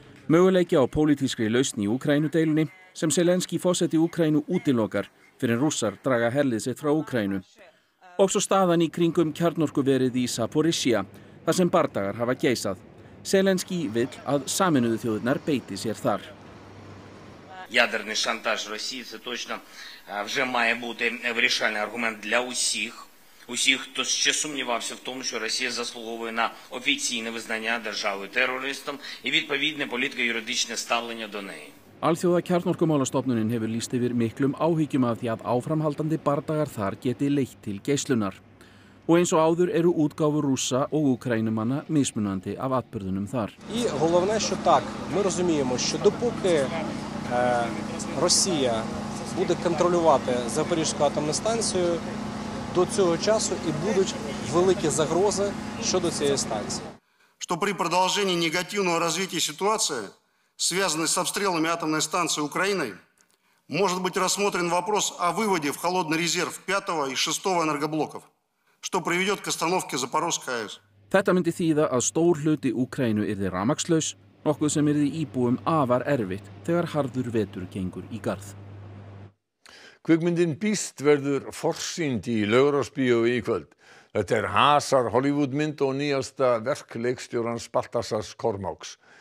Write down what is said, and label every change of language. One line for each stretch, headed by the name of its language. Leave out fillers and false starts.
Icelandic: Möguleiki á pólitískri lausn í Úkraínudeilunni sem Zelenský forseti Úkraínu útilokar fyrir Rússar draga herlið sitt frá Úkraínu. Og svo staðan í kringum kjarnorkuverið í Zaporizhia, þar sem bardagar hafa geisað. Zelenský vill að Sameinuðu þjóðirnar beiti sér þar.
Ukrainian: Ядерний шантаж Росії – це точно вже має бути вирішальний аргумент для усіх, усіх, хто ще сумнівався в тому, що Росія заслуговує на офіційне визнання державою терористом і відповідне політико-юридичне ставлення до неї.
Icelandic: Alþjóða kjarnorkumálastofnunin hefur líst yfir miklum áhyggjum af því að áframhaldandi bardagar þar geti leitt til geislunar. Og eins og áður eru útgáfur Rússa og Úkraínumanna mismunandi af atburðunum þar.
Ukrainian: І головне, що так, ми розуміємо, що допоки Росія буде контролювати Запорізьку атомну станцію до цього часу і будуть великі загрози щодо цієї станції. Що при продовженні негативного розвитку ситуації, зв'язаної з обстрілами атомної станції України, може бути розглянутий
Russian: вопрос о
Ukrainian: виводі в холодний резерв 5-го і 6-го енергоблоків, що приведе до остановки Запорізької АЕС.
Icelandic: Þetta myndi þýða að stór hluti Úkraínu yrði rafmagnslaus, nokkuð sem yrði íbúum afar erfitt þegar harður vetur gengur í garð. Kvikmyndin Beast verður forsýnd í Laugarásbíói í kvöld. Þetta hasar Hollywoodmynd og nýjasta verk leikstjórans Baltasars Kormáks.